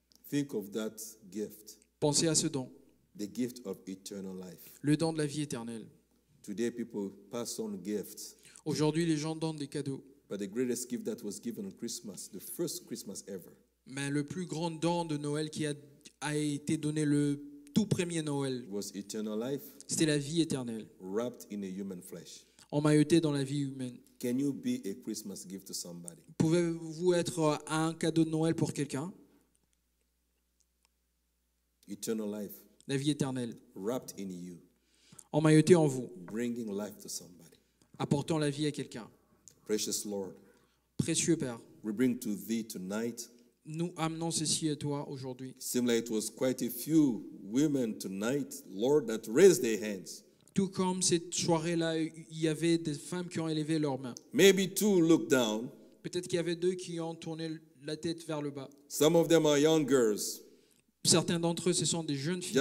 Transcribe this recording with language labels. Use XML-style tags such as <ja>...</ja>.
<en>Think of that gift.</en> <fr>Pensez à ce don.</fr> <en>The gift of eternal life.</en> <fr>Le don de la vie éternelle.</fr> <en>Today people pass on gifts.</en> <fr>Aujourd'hui les gens donnent des cadeaux.</fr> <en>But the greatest gift that was given on Christmas, the first Christmas ever.</en> <fr>Mais le plus grand don de Noël qui a été donné le tout premier Noël.</fr> <en>Was eternal life.</en> <fr>C'était la vie éternelle.</fr> <en>Wrapped in a human flesh.</en> <fr>Emmailloté dans la vie humaine.</fr> <en>Can you be a Christmas gift to somebody?</en> <fr>Pouvez-vous être un cadeau de Noël pour quelqu'un?</fr> <en>Eternal life.</en> <fr>La vie éternelle.</fr> <en>Wrapped in you.</en> <fr>Emmailloté en vous.</fr> <en>Bringing life to somebody.</en> <fr>Apportant la vie à quelqu'un.</fr> <en>Precious Lord,</en> <fr>précieux Père,</fr> <en>we bring to thee tonight.</en> <fr>Nous amenons ceci à toi aujourd'hui.</fr> <en>Seems like it was quite a few women tonight, Lord, that raised their hands.</en> <fr>Tout comme cette soirée-là, il y avait des femmes qui ont élevé leurs mains.</fr> <en>Maybe two looked down.</en> <fr>Peut-être qu'il y avait deux qui ont tourné la tête vers le bas.</fr> <en>Some of them are young girls.</en> <fr>Certains d'entre eux, ce sont des jeunes filles.</fr>